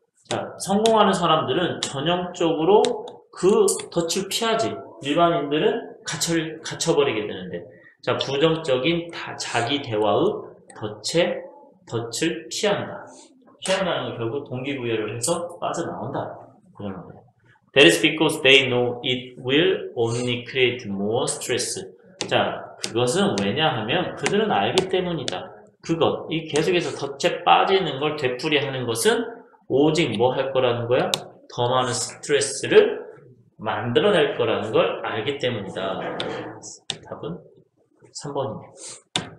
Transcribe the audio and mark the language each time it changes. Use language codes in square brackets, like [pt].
[ko] 자, 성공하는 사람들은 전형적으로 그 덫을 피하지. 일반인들은 갇혀버리게 되는데. 자, 부정적인 자기 대화의 덫을 피한다. 피한다는 건 결국 동기부여를 해서 빠져나온다. 그런 거예요. [en] That is because they know it will only create more stress. [ko] 자, 그것은 왜냐하면 그들은 알기 때문이다. 그것, 이 계속해서 덫에 빠지는 걸 되풀이하는 것은 오직 뭐 할 거라는 거야? 더 많은 스트레스를 만들어낼 거라는 걸 알기 때문이다. 답은 3번입니다.